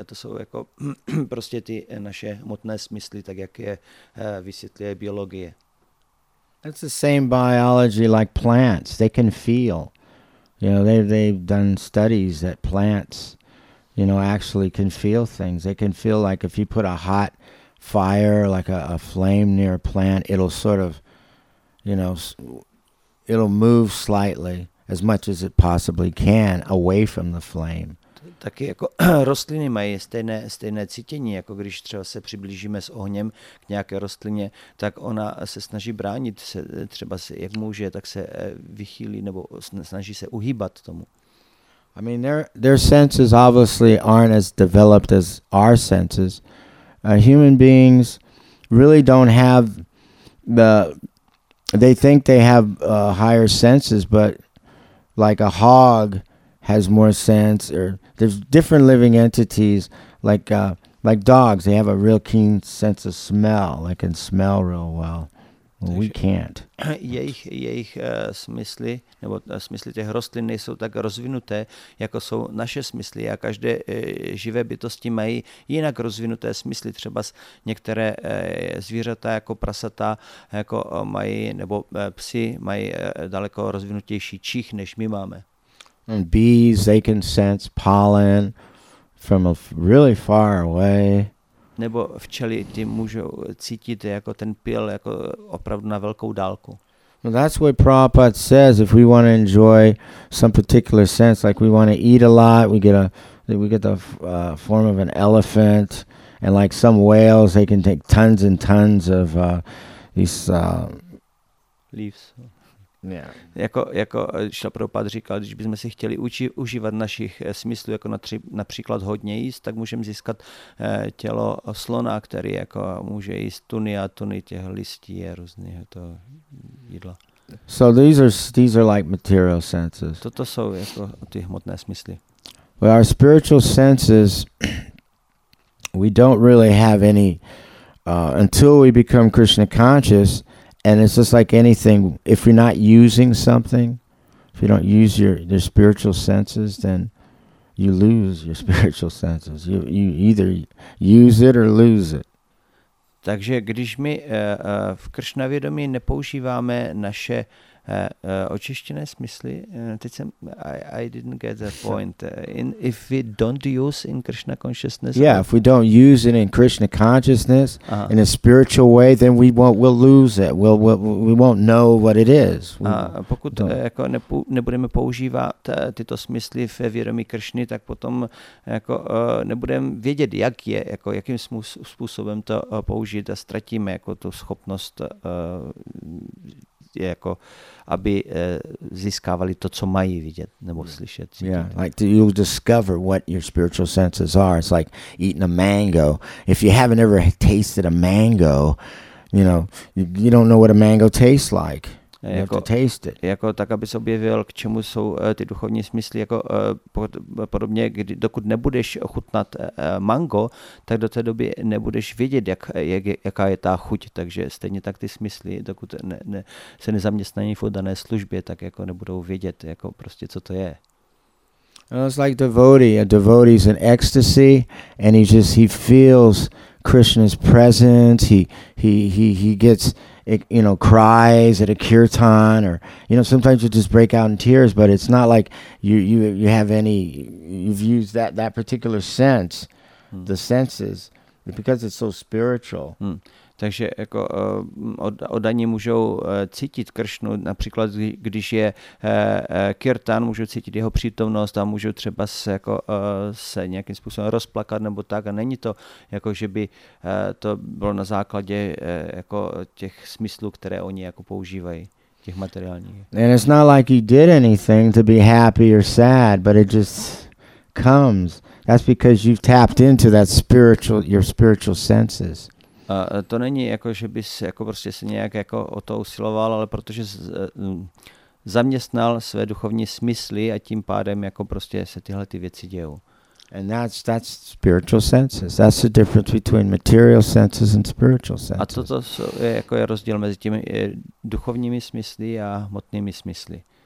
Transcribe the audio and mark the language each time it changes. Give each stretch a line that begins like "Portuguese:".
Czech: To jsou jako prostě ty naše hmotné smysly, tak jak je vysvětluje biologie.
English: It's the same biology like plants. They can feel. You know, they've done studies that plants, you know, actually can feel things. They can feel like if you put a hot fire, like a flame near a plant, it'll sort of, you know, it'll move slightly as much as it possibly can away from the flame.
Czech: Taky jako rostliny mají stejné cítění, jako když třeba se přiblížíme s ohněm k nějaké rostlině, tak ona se snaží bránit se, třeba se, jak může, tak se vychýlí nebo snaží se uhýbat tomu.
English: I mean, their senses obviously aren't as developed as our senses. Human beings really don't have they think they have higher senses, but like a hog has more sense, or there's different living entities like dogs. They have a real keen sense of smell. They can smell real well, We can't.
Czech: Jejich smysly nebo smysly těch rostlin nejsou tak rozvinuté, jako jsou naše smysly. A každé živé bytosti mají jinak rozvinuté smysly. Třeba některé zvířata jako prasata jako mají nebo psi mají daleko rozvinutější čich než my máme.
English: And bees, they can sense pollen from a really far away.
Czech: Nebo včely ty můžou cítit jako ten pyl jako opravdu na velkou dálku.
English: Well, that's what Prabhupada says. If we want to enjoy some particular sense, like we want to eat a lot, we get the form of an elephant, and like some whales, they can take tons and tons of these leaves. Yeah.
Czech: Jako Šila Prabhupada říkal, když bychom si chtěli užívat našich smyslů, jako například hodně jíst, tak můžeme získat tělo slona, který jako může jíst tuny a tuny těch listí a různých to jídla.
English: So these are like material senses.
Czech: Toto jsou jako ty hmotné smysly.
English: Well, our spiritual senses, we don't really have any until we become Krishna conscious. And it's just like anything, if you're not using something, if you don't use your spiritual senses, then you lose your spiritual senses. You either use it or lose it.
Czech: Takže když my v Kršna vědomí nepoužíváme naše očištěné smysly,
English: I didn't get that point. If we don't use in Krishna consciousness, yeah, if we don't use it in Krishna consciousness in a spiritual way, then we'll lose it. We won't know what it is.
Czech: Pokud jako nebudeme používat tyto smysly ve vědomí Kršny, tak potom jako nebudeme vědět, jak je jako jakým způsobem to použít a ztratíme jako tu schopnost. Jako aby získávali to, co mají vidět nebo slyšet. Cítit.
English: Yeah, like you'll discover what your spiritual senses are. It's like eating a mango. If you haven't ever tasted a mango, you know, you don't know what a mango tastes like. You
Czech: jako,
English: have to taste it.
Czech: Jako tak, aby se objevil, k čemu jsou ty duchovní smysly. Jako podobně, dokud nebudeš ochutnat mango, tak do té doby nebudeš vědět, jaká je ta chuť. Takže stejně tak ty smysly, dokud se nezaměstnají v dané službě, tak jako nebudou vědět, jako prostě co to je.
English: It's like devotee. A devotee is in ecstasy, and he feels Krishna's presence. He gets cries at a kirtan, or sometimes you just break out in tears, but it's not like you have any, you've used that particular sense, the senses, because it's so spiritual.
Czech: Takže jako oddaní můžou cítit Kršnu, například když je kirtan, můžou cítit jeho přítomnost a můžou třeba se nějakým způsobem rozplakat nebo tak, a není to jako, že by to bylo na základě jako těch smyslů, které oni jako používají, těch materiálních.
English: And it's not like he did anything to be happy or sad, but it just comes. That's because you've tapped into that spiritual, your spiritual senses.
Czech: To není jako, že bys jako prostě se nějak jako o to usiloval, ale protože zaměstnal své duchovní smysly a tím pádem jako prostě se tyhle ty věci dějou.
English: And that's spiritual senses. That's the difference between material senses and spiritual senses.
Czech: A toto je jako rozdíl mezi těmi duchovními smysly a hmotnými smysly.